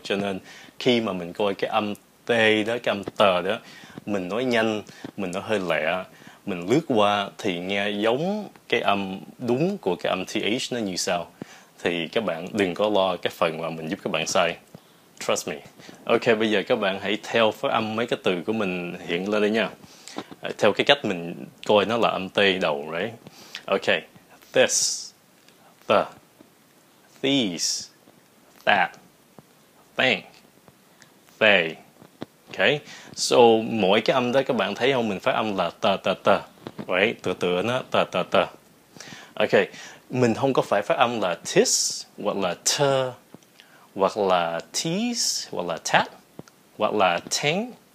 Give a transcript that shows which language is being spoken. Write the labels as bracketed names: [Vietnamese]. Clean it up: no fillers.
[Vietnamese] Cho nên khi mà mình coi cái âm T đó, cái âm tờ đó, mình nói nhanh, mình nó hơi lẹ, mình lướt qua thì nghe giống cái âm đúng của cái âm TH nó như sao. Thì các bạn đừng có lo cái phần mà mình giúp các bạn sai. [English] Trust me. [Vietnamese] Ok, bây giờ các bạn hãy theo phát âm mấy cái từ của mình hiện lên đây nha. Theo cái cách mình coi nó là âm T đầu, [English] right? Ok, this, the, these, that, thank, they. Ok, so [Vietnamese] mỗi cái âm đó các bạn thấy không? Mình phát âm là tờ tờ tờ, [English] right? [Vietnamese] Tựa tựa nó, tờ tờ tờ. Ok, mình không có phải phát âm là tis, hoặc là tơ, hoặc là tease, hoặc là tat, hoặc là thank.